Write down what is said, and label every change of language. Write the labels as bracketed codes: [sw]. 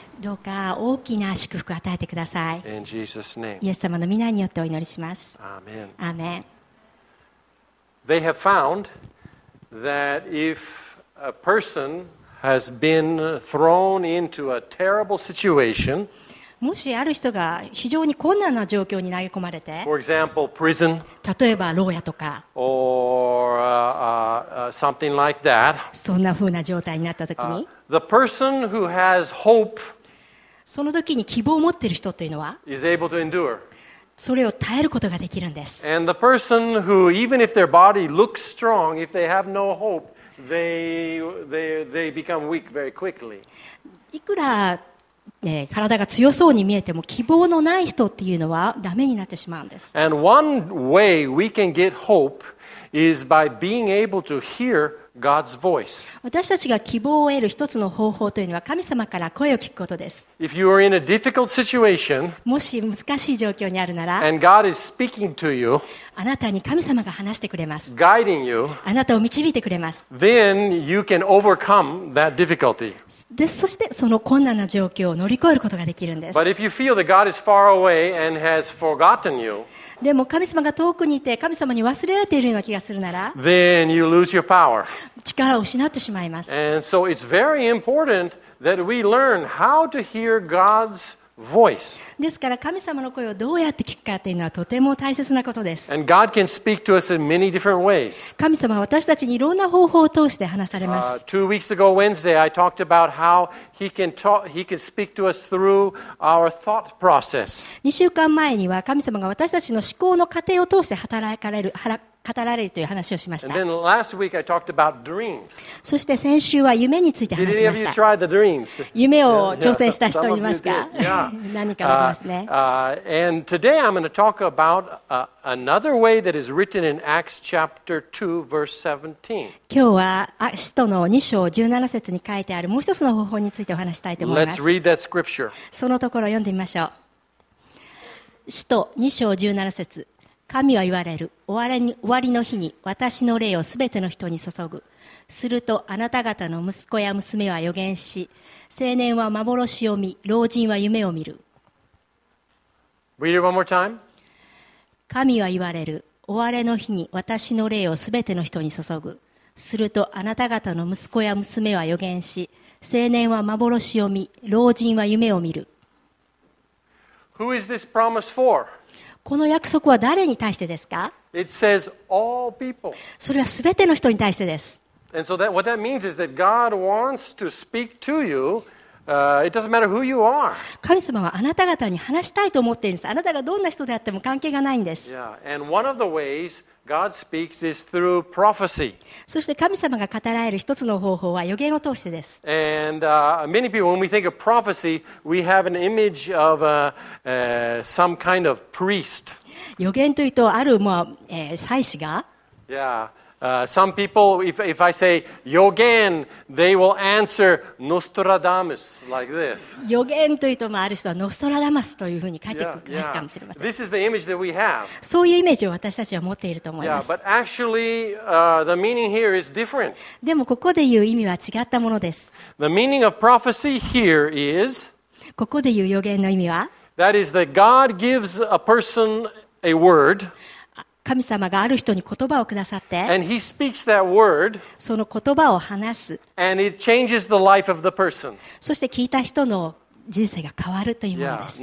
[ja] どうか大きな祝福を与えてください。 [en] In Jesus' name. [ja] イエス様の御名によってお祈りします。 [en] Amen. Amen. They have found that if a person has been thrown into a terrible situation, [ja] もしある人が非常に困難な状況に投げ込まれて、 [en] For example, prison, [ja] 例えば牢屋とか [en] or, something like that, [ja] そんな風な状態になった時に、 [en] the person who has hope, [ja] その時に希望を持っている人というのは [en] is able to endure. [ja] それを耐えることができるんです。 [en] And the person who, even if their body looks strong, if they have no hope, they become weak very quickly. [ja] いくら体が強そうに見えても希望のない人っていうのはダメになってしまうんです。 [en] And one way we can get hope is by being able to hear God's voice. [ja] 私たちが希望を得る一つの方法というのは神様から声を聞くことです。 [en] If you are in a difficult situation, [ja] もし難しい状況にあるなら、 [en] And God is speaking to you, [ja] あなたに神様が話してくれます。 [en] Guiding you, [ja] あなたを導いてくれます。 [en] Then you can overcome that difficulty. [ja] で、そしてその困難な状況を乗り越えることができるんです。 [en] But if you feel that God is far away and has forgotten you, [ja] でも神様が遠くにいて神様に忘れられているような気がするなら、 [en] Then you lose your power. [ja] 力を失ってしまいます。 [en] And so it's very important that we learn how to hear God's voice. [ja] ですから神様の声をどうやって聞くかというのはとても大切なことです。 [en] And God can speak to us in many different ways. [ja] 神様は私たちにいろんな方法を通して話されます。 [en] Two weeks ago Wednesday, I talked about how he can speak to us through our thought process. [ja] 2週間前には神様が私たちの思考の過程を通して働かれるという話をしました。 [en] And then last week I talked about dreams. [ja] そして先週は夢について話しました。 [en] Did any of you try the dreams? [ja] 夢を挑戦した人いますか？ [en] Yeah. [ja] 何かありますね。 [en] And today I'm going to talk about another way that is written in Acts chapter 2 verse 17. [ja] 今日は使徒の2章17節に書いてあるもう一つの方法についてお話したいと思います。 [en] Let's read that scripture. [ja] そのところを読んでみましょう。使徒2章17節、神は言われる。終わりの日に私の霊をすべての人に注ぐ。するとあなた方の息子や娘は予言し、青年は幻を見、老人は夢を見る。 [en] Read it one more time. [ja] 神は言われる。終わりの日に私の霊をすべての人に注ぐ。するとあなた方の息子や娘は予言し、青年は幻を見、老人は夢を見る。 [en] Who is this promise for? [ja] この約束は誰に対してですか？ [en] It says all people. [ja] それはすべての人に対してです。 [en] And so that, what that means is that God wants to speak to you. It doesn't matter who you are. [ja] 神様はあなた方に話したいと思っているんです。あなたがどんな人であっても関係がないんです。 [en] Yeah. And one of the ways God speaks is through prophecy. [ja] そして神様が語られる一つの方法は予言を通してです。 [en] And many people, when we think of prophecy, we have an image of some kind of priest. [ja] 予言というとある、まあ祭司が。 [en] Yeah. Some people, if I say 予言, they will answer Nostradamus like this. [ja] 予言というとある人はノストラダマスというふうに書いてくるかもしれません。 [en] Yeah, yeah. This is the image that we have. [ja] そういうイメージを私たちは持っていると思います。 [en] Yeah, but actually, the meaning here is different. [ja] でもここで言う意味は違ったものです。 [en] The meaning of prophecy here is [ja] ここで言う予言の意味は [en] That is that God gives a person a word [ja] 神様がある人に言葉をくださって、 [en] And he speaks that word, [ja] その言葉を話す、 [en] And it changes the life of the person. [ja] そして聞いた人の人生が変わるというものです。